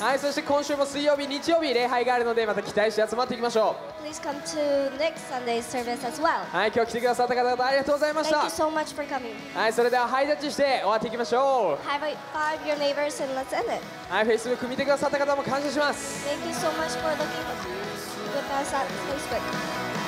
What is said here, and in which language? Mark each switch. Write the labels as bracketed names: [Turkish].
[Japanese] はい、そして今週も水曜日、日曜日礼拝があるのでまた期待して集まっていきましょう。 [English] Please come to next Sunday's service as well. [Japanese] はい、今日来てくださった方々ありがとうございました。 [English] Thank you so much for coming. [Japanese] はい、それではハイタッチして終わっていきましょう。 [English] High five your neighbors and let's end it. [Japanese] はい、Facebook 見てくださった方も感謝します。 [English] Thank you so much for looking with us at Facebook.